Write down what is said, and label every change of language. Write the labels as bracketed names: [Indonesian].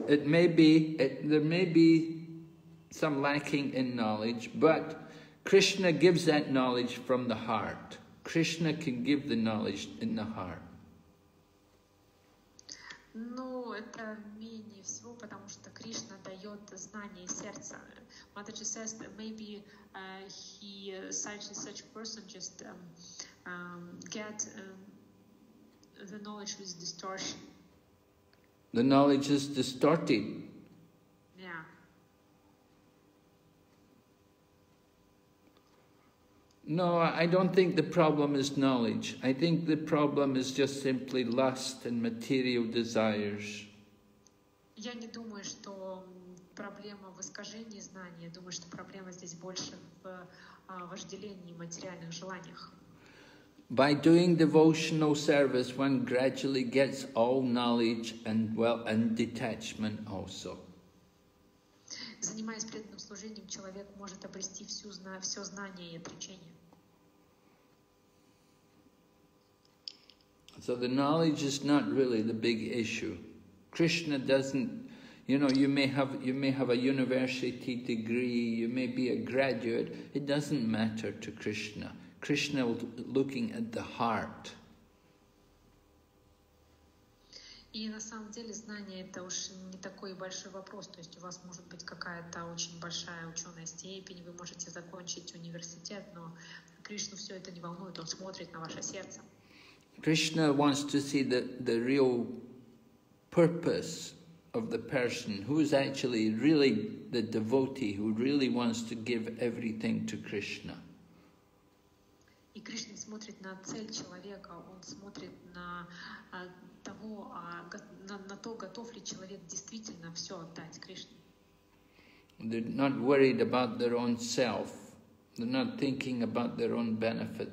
[English] It may be, there may be some lacking in knowledge, but Krishna gives that knowledge from the heart. Krishna can give the knowledge in the heart. [Russian] Ну, это менее всего, потому что Кришна дает знания из сердца. [English] Mataji says that maybe he such person just get the knowledge with distortion. The knowledge is distorted. No, I don't think the problem is knowledge. I think the problem is just simply lust and material desires. [Russian] Я не думаю, что проблема в искажении знаний. Я думаю, что проблема здесь больше в вожделении и материальных желаниях. [English] By doing devotional service, one gradually gets all knowledge and well and detachment also. [Russian] Занимаясь преданным служением, человек может обрести все знание и отречение. [English] So the knowledge is not really the big issue. Krishna doesn't, you know, you may have a university degree, you may be a graduate, it doesn't matter to Krishna. Krishna is looking at the heart. [Russian] И на самом деле знание это уж не такой большой вопрос. То есть у вас может быть какая-то очень большая ученая степень, вы можете закончить университет, но Кришну все это не волнует, он смотрит на ваше сердце. [English] Krishna wants to see the real purpose of the person who is actually really the devotee who really wants to give everything to Krishna. [Russian] И Кришна смотрит на цель человека, он смотрит на того, на то, готов ли человек действительно все отдать Кришне. [English] They're not worried about their own self. They're not thinking about their own benefit.